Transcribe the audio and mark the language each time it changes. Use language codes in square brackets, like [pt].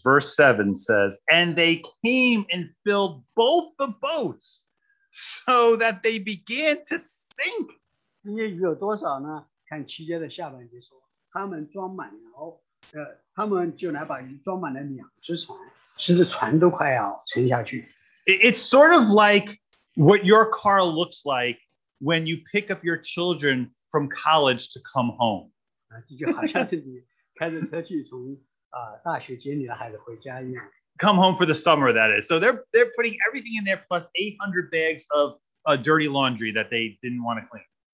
[en] Verse 7 says, and they came and filled both the boats, so that they began to sink. [zh] 那鱼有多少呢？看七节的下半节说，他们装满了，他们就来把鱼装满了两只船，甚至船都快要沉下去。 [en] It's sort of like what your car looks like when you pick up your children from college to come home. [zh] 就好像是你开着车去从大学接你的孩子回家一样。 [en] Come home for the summer, that is. So they're putting everything in there plus 800 bags of dirty laundry that they didn't want to clean.